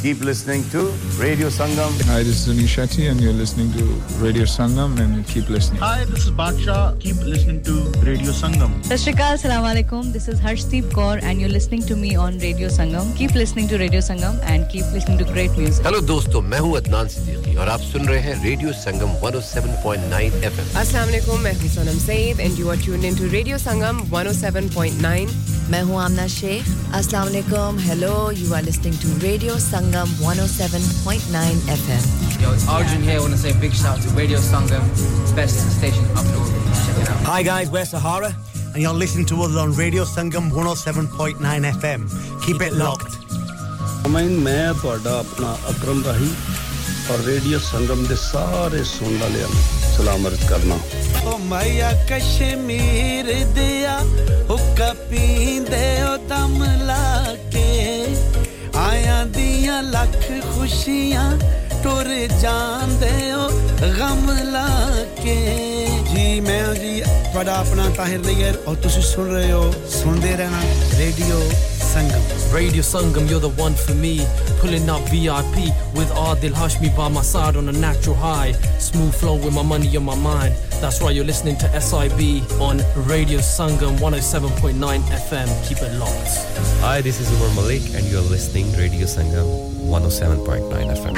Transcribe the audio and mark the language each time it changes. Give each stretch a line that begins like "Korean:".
English: Keep listening to Radio Sangam. Hi, this is Anish Shetty and you're listening to Radio Sangam and keep listening. Hi, this is Baksha. Keep listening to Radio Sangam. Sashrikal, Assalamu Alaikum. This is Harshdeep Kaur and you're listening to me on Radio Sangam. Keep listening to Radio Sangam and keep listening to great music. Hello, dosto.
Hindi: तो मैं हूं अदनान सिद्दीकी और आप सुन रहे हैं radio संगम 107.9 FM.
English: अस्सलाम वालेकुम,
Hindi: मैं हूं
English: Sonam Saeed and you are tuned in to radio Sangam 107.9.
Hindi: मैं हूं आमना शेख.
English: अस्सलाम वालेकुम, hello, you are listening to radio Sangam 107.9 FM. Yo, it's Arjun here. Want to say big shout to radio Sangam, best station up north. Hi guys, we're Sahara and you are listening to us on radio Sangam 107.9 FM. Keep it locked.
Punjabi: ਮੈਂ ਤੁਹਾਡਾ ਆਪਣਾ ਅਕਰਮ ਰਾਹੀ ਔਰ radio ਸੰਗਮ ਦੇ ਸਾਰੇ ਸੁਣ ਵਾਲਿਆਂ ਨੂੰ ਸਲਾਮ ਅਰਜ਼ ਕਰਨਾ. ਓ ਮਾਇਆ ਕਸ਼ਮੀਰ ਦਿਆ ਹੁੱਕਾ ਪੀਂਦੇ ਓ ਦਮ ਲਾ ਕੇ ਆਇਆ ਦੀਆਂ ਲੱਖ ਖੁਸ਼ੀਆਂ ਟੁਰ ਜਾਂਦੇ ਓ ਗਮ ਲਾ ਕੇ. ਜੀ ਮੈਂ ਜੀ ਤੁਹਾਡਾ ਆਪਣਾ ਤਾਹਿਰ ਲਈਅਰ ਔਰ ਤੁਸੀਂ ਸੁਣ ਰਹੇ ਹੋ, ਸੁਣਦੇ ਰਹਿਣਾ radio Sangam.
English: Radio Sangam, you're the one for me. Pulling up VIP with Adil Hashmi by my side on a natural high. Smooth flow with my money on my mind. That's why you're listening to SIB on Radio Sangam 107.9 FM. Keep it locked. Hi, this is Umar Malik and you're listening to Radio Sangam 107.9 FM.